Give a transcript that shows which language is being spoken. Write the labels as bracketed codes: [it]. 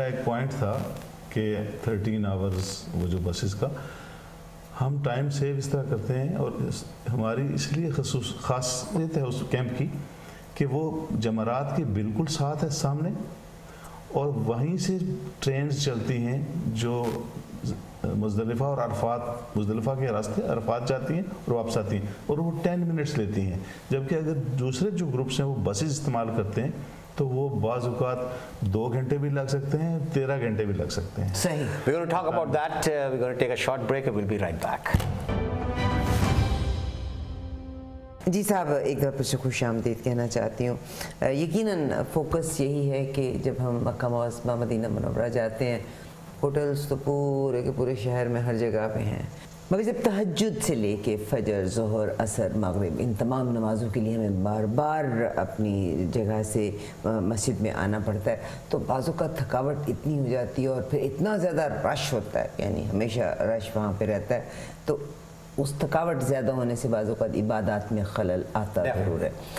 [hi] एक पॉइंट था के 13 आवर्स वो जो बसेस का, हम टाइम सेव इस तरह करते हैं और हमारी इसलिए खासियत है उस कैंप की कि वो जमारात के बिल्कुल साथ है सामने, और वहीं से ट्रेन चलती हैं जो मुजदलिफा और अरफात, मुजदलिफा के रास्ते अरफात जाती हैं और वापस आती हैं, और वो 10 मिनट्स लेती हैं। जबकि अगर दूसरे जो ग्रुप्स हैं वो बसेस इस्तेमाल करते हैं तो वो बाज़ औक़ात 2 घंटे भी लग सकते हैं, 13 घंटे भी लग सकते हैं। सही। [en] We're going to talk about that. We're going to take a short break and we'll be right back. [hi] जी साहब, एक बार फिर से खुश आमदीद कहना चाहती हूँ। यकीनन फोकस यही है कि जब हम मक्का मुकर्रमा मदीना मुनव्वरा जाते हैं, होटल्स तो पूरे के पूरे शहर में हर जगह पे हैं, मगर जब तहज्जुद से लेके फजर, जोहर, असर, मगरिब, इन तमाम नमाजों के लिए हमें बार बार अपनी जगह से मस्जिद में आना पड़ता है, तो बाज़ू का थकावट इतनी हो जाती है और फिर इतना ज़्यादा रश होता है, यानी हमेशा रश वहाँ पे रहता है, तो उस थकावट ज़्यादा होने से बाज़ू का इबादत में खलल आता ज़रूर है।